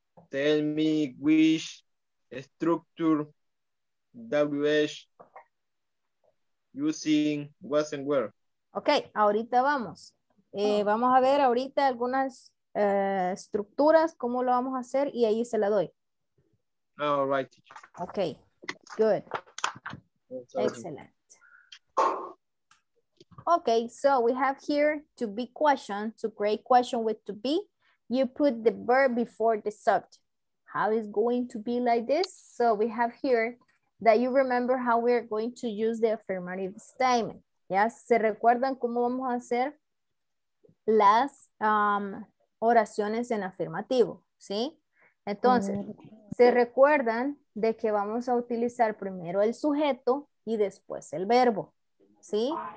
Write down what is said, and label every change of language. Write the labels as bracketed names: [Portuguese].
[English] Tell me which structure WH using was and where. [Spanish] Ok, ahorita vamos. Vamos a ver ahorita algunas estructuras, cómo lo vamos a hacer y ahí se la doy. [English] All right. Ok, good. Excellent. Ok, so we have here to be question, to create question with to be. You put the verb before the subject. How is going to be like this? So we have here that you remember how we are going to use the affirmative statement. [Spanish] ¿Ya se recuerdan cómo vamos a hacer las oraciones en afirmativo? ¿Sí? Entonces, se recuerdan de que vamos a utilizar primero el sujeto y después el verbo. ¿Sí?